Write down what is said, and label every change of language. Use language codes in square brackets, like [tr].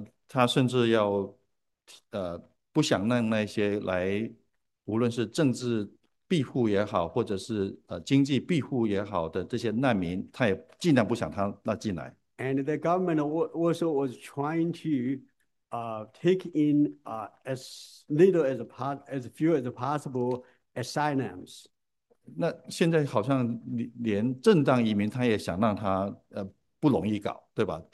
[zh] 他甚至要不想让那些来，无论是政治庇护也好，或者是经济庇护也好的这些难民，他也尽量不想他那进来。 [en] And the government also was trying to take in as few as possible asylums. [zh] 那现在好像连正当移民，他也想让他不容易搞，对吧？